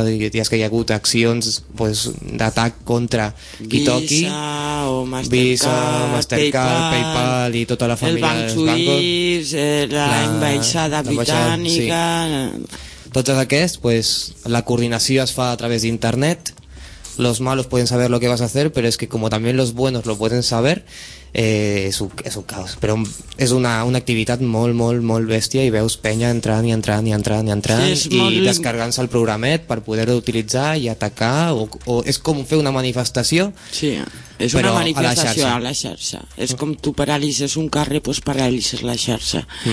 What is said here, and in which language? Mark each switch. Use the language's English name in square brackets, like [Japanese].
[Catalan] Dies que hi ha hagut accions, pues, d'atac contra qui toqui. Visa, Mastercard, PayPal i tota la família. El Banc Suís, l'ambaixada britànica... Sí. Totes aquests, pues, la coordinació es fa a través d'internet. [Spanish] Los malos pueden saber lo que vas a hacer, pero es que como también los buenos lo pueden saber, es un caos. Pero es una [Catalan] activitat molt bèstia, i veus penya entrant sí, i descargant-se el programet per poder utilitzar i atacar, o és com fer una manifestació. Sí, és una manifestació a la xarxa. És com tu paralises un carrer, doncs paralises la xarxa.